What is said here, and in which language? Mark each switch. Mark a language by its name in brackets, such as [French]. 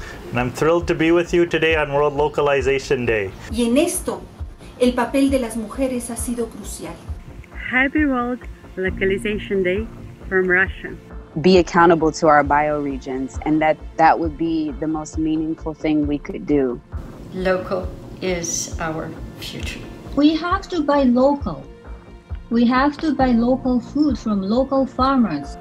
[English] And I'm thrilled to be with you today on World Localization Day. [Spanish] Y en esto, el papel de las mujeres ha sido crucial. [English] Happy World Localization Day from Russia. Be accountable to our bioregions and that would be the most meaningful thing we could do. Local is our future. We have to buy local. We have to buy local food from local farmers.